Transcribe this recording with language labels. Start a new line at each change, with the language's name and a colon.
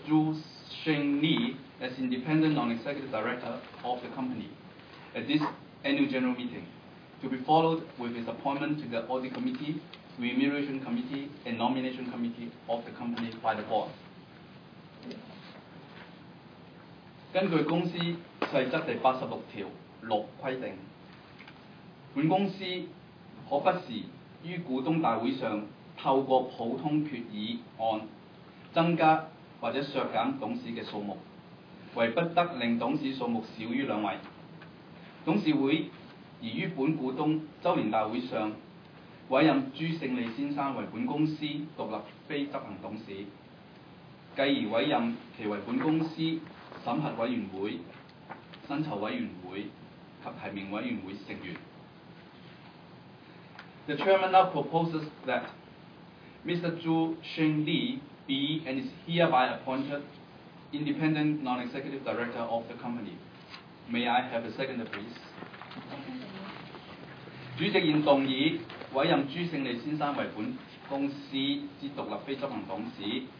English: Zhu Sheng Li as independent non-executive director of the company at this annual general meeting, to be followed with his appointment to the audit committee, remuneration committee, and nomination committee of the company by the board.
Cantonese: 根據公司細則第86條6規定，本公司可不時於股東大會上透過普通決議案增加或者削減董事的數目，為不得令董事數目少於兩位。董事會已於本股東周年大會上委任朱勝利先生為本公司獨立非執行董事，繼而委任其為本公司審核委員會、薪酬委員會及提名委員會成員。
English: The chairman now proposes that Mr. Zhu Shengli be and is hereby appointed independent non-executive director of the company. May I have a second, please?
Cantonese: 主席現動議委任朱勝利先生為本公司之獨立非執行董事。